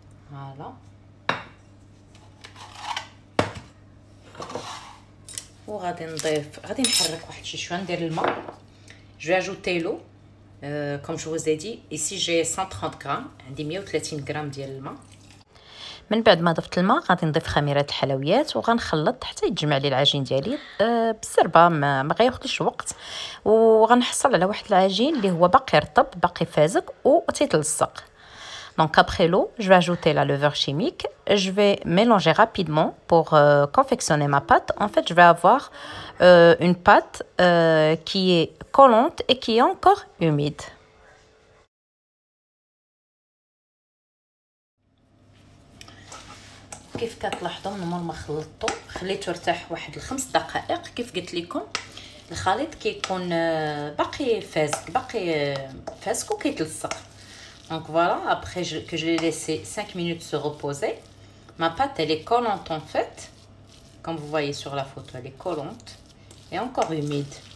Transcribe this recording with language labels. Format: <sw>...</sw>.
<ar>فوالا، وغادي نضيف، غادي نحرك واحد شي شويه، ندير الماء،</ar> <fr>جو اجوتي لو كوم جو فوز اي دي، ايسي جي</fr> <ar>130 غرام، عندي 130 غرام ديال الماء. من بعد ما ضفت الماء غادي نضيف خميره الحلويات وغنخلط حتى يتجمع لي العجين ديالي بالزربه، ما غياخذش وقت، وغنحصل على واحد العجين اللي هو باقي رطب، باقي فازك و تيتلصق.</ar> <fr>Donc après l'eau, je vais ajouter la levure chimique. Je vais mélanger rapidement pour confectionner ma pâte. En fait, je vais avoir une pâte qui est collante et qui est encore humide.</fr> <ar>كيف كتلاحظوا من مول ما خلطته خليته يرتاح واحد الخمس دقائق. كيف قلت لكم الخليط كيكون باقي فازك، باقي فازك وكيتلصق.</ar> <fr>Donc voilà, après que je l'ai laissé 5 minutes se reposer, ma pâte elle est collante en fait. Comme vous voyez sur la photo, elle est collante et encore humide.</fr>